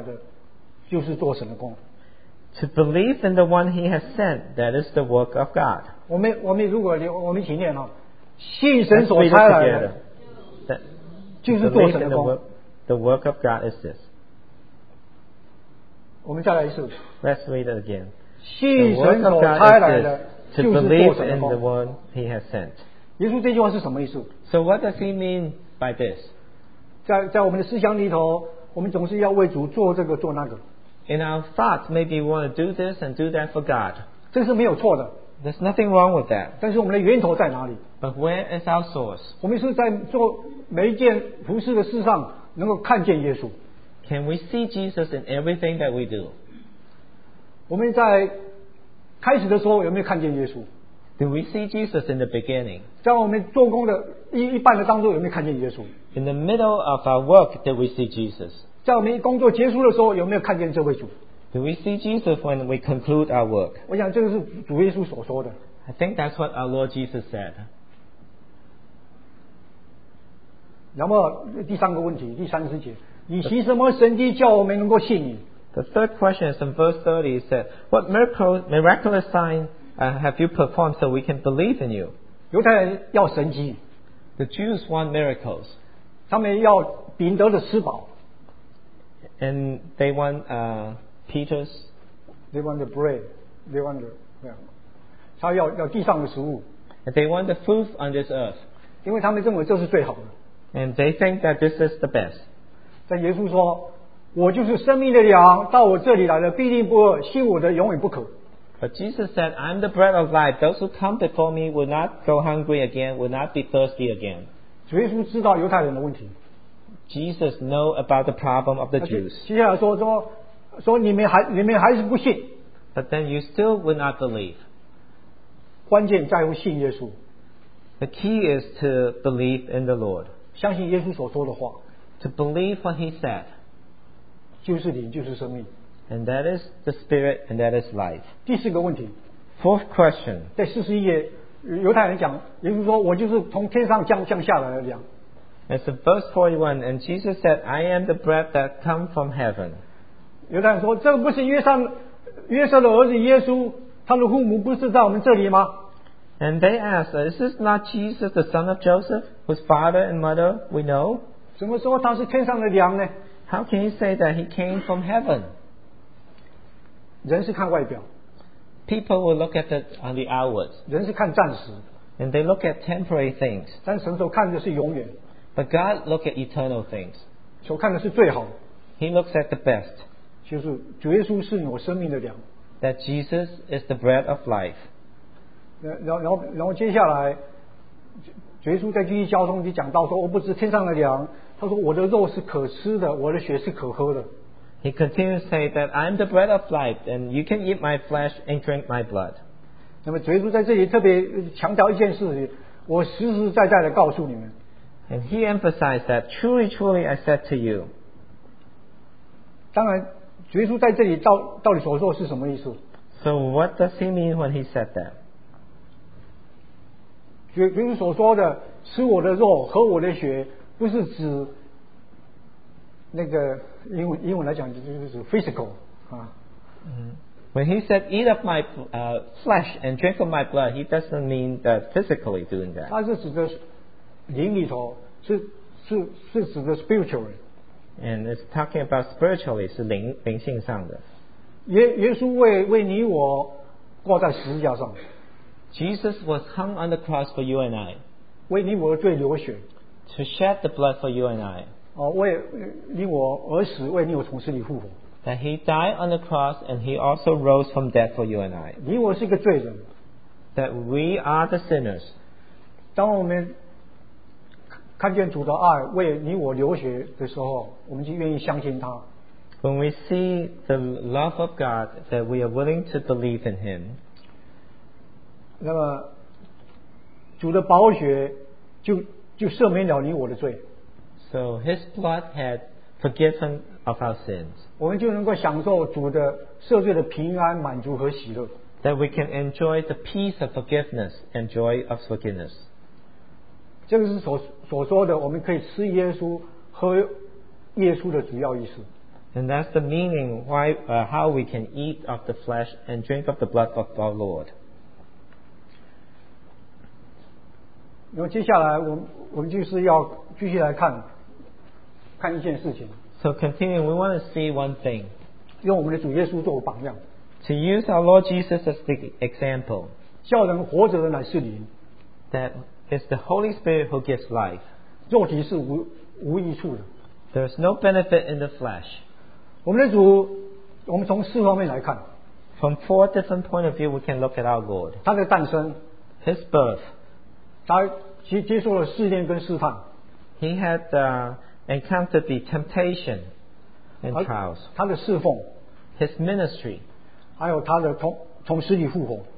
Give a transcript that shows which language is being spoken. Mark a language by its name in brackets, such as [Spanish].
[Chinese] 信神所差来的就是做神的工。 [English] To believe in the one he has sent, that is the work of God. [Chinese] 我们如果我们一起念啊, 信神所差来的就是做神的工。 [English] The work of God is this. [Chinese] 我们再来一次。 [English] Let's read it again. [Chinese] 信神所差来的就是做神的工。 [English] To believe in the one he has sent. [Chinese] 耶稣这句话是什么意思? [English] So what does he mean by this? [Chinese] 在我们的思想里头, 我们总是要为主做这个做那个。 [English] In our thoughts, maybe we want to do this and do that for God. [Chinese] 这是没有错的。 [English] There's nothing wrong with that. [Chinese] 但是我们的源头在哪里？ [English] But where is our source? [Chinese] 我们是在做每一件服事的事上能够看见耶稣。 [English] Can we see Jesus in everything that we do? [Chinese] 我们在开始的时候有没有看见耶稣？ [English] Do we see Jesus in the beginning? [Chinese] 在我们做工的一半的当中有没有看见耶稣？ [English] In the middle of our work, did we see Jesus? [Chinese] 在我们工作结束的时候有没有看见这位主？ [English] Do we see Jesus when we conclude our work? [Chinese] 我想这个是主耶稣所说的。 [English] I think that's what our Lord Jesus said. [Chinese] 那么第三个问题，第三十节，你行什么神迹叫我们能够信你？ [English] The third question is in verse 30. It said, "What miraculous sign have you performed so we can believe in you?" [Chinese] 犹太人要神迹。 [English] The Jews want miracles. [Chinese] 他们要彼得的吃饱。 [English] And they want Peter's. They want the bread. They want the yeah. [Chinese] 他要地上的食物。 [English] And they want the food on this earth. [Chinese] 因为他们认为这是最好的。 [English] And they think that this is the best. [Chinese] 但耶稣说。我就是生命的粮，到我这里来的必定不饿，信我的永远不渴。 [English] But Jesus said, "I'm the bread of life. Those who come before me will not go hungry again, will not be thirsty again." [Chinese] 主耶稣知道犹太人的问题。 [English] Jesus know about the problem of the Jews. [Chinese] 接下来说你们还是不信。 [English] But then you still will not believe. [Chinese] 关键在乎信耶稣。 [English] The key is to believe in the Lord. [Chinese] 相信耶稣所说的话。 [English] To believe what he said. [Chinese] 就是灵，就是生命。 [English] And that is the spirit, and that is life. [Chinese] 第四个问题。 [English] Fourth question. [Chinese] 在四十一页，犹太人讲，耶稣说：“我就是从天上降下来的粮。” [English] It's in verse 41, and Jesus said, "I am the bread that come from heaven." [Chinese] 犹太人说：“这不是约瑟的儿子耶稣，他的父母不是在我们这里吗？” [English] And they asked, "Is this not Jesus, the son of Joseph, whose father and mother we know?" [Chinese] 怎么说他是天上的粮呢？ [English] How can you say that he came from heaven? [Chinese] 人是看外表。 [English] People will look at it on the outwards. [Chinese] 人是看暂时。 [English] And they look at temporary things. [Chinese] 但神所看的是永远。 [English] But God look at eternal things. [Chinese] 所看的是最好。 [English] He looks at the best. [Chinese] 就是主耶稣是我生命的粮。 [English] That Jesus is the bread of life. [Chinese] 然后接下来，主耶稣在继续交通就讲到说，我不是天上的粮。他说我的肉是可吃的，我的血是可喝的。 [English] He continues to say that I'm the bread of life and you can eat my flesh and drink my blood. [Chinese] 那么主耶稣在这里特别强调一件事情，我实实在在的告诉你们。 [English] And he emphasized that truly truly I said to you. [Chinese] 当然主耶稣在这里 到底所说是什么意思？ [English] So what does he mean when he said that? [Chinese] 主耶稣所说的吃我的肉喝我的血不是指那个英文来讲就是 physical 啊。 [English] When he said eat of my flesh and drink of my blood, he doesn't mean that physically doing that. [Chinese] 他是指的灵里头是指的 spiritually. [English] And it's talking about spiritually [Chinese] 是灵性上的。耶稣为你我挂在十字架上。 [English] Jesus was hung on the cross for you and I. [Chinese] 为你我的罪流血。 [English] To shed the blood for you and I. [Chinese] 哦，为你我而死，为你我从死里复活。 [English] That he died on the cross and he also rose from death for you and I. [Chinese] 你我是一个罪人。 [English] That we are the sinners. [Chinese] 当我们看见主的爱为你我流血的时候，我们就愿意相信他。 [English] When we see the love of God, that we are willing to believe in Him. [Chinese] 那么主的宝血就赦免了你我的罪。 [English] So his blood had forgiven of our sins. [Chinese] 我们就能够享受主的赦罪的平安、满足和喜乐。 [English] That we can enjoy the peace of forgiveness and joy of forgiveness. [Chinese] 这个是所说的，我们可以吃耶稣、喝耶稣的主要意思。 [English] And that's the meaning why how we can eat of the flesh and drink of the blood of our Lord. [Chinese] 然后接下来我们就是要继续来看一件事情。 [English] So continuing, we want to see one thing. [Chinese] 用我们的主耶稣做榜样。 [English] To use our Lord Jesus as the example. [Chinese] 叫人活着的乃是灵。 [English] That is the Holy Spirit who gives life. [Chinese] 肉体是无益处的。 [English] There's no benefit in the flesh. [Chinese] 我们的主, 我们从四方面来看, [English] From four different points of view, we can look at our Lord. [Chinese] 他的诞生, [English] His birth. [Chinese] 他接受了试炼跟试探, [English] He had encountered the temptation and trials. [Chinese] 他的侍奉, [English] His ministry. [Chinese] 还有他的从死里复活,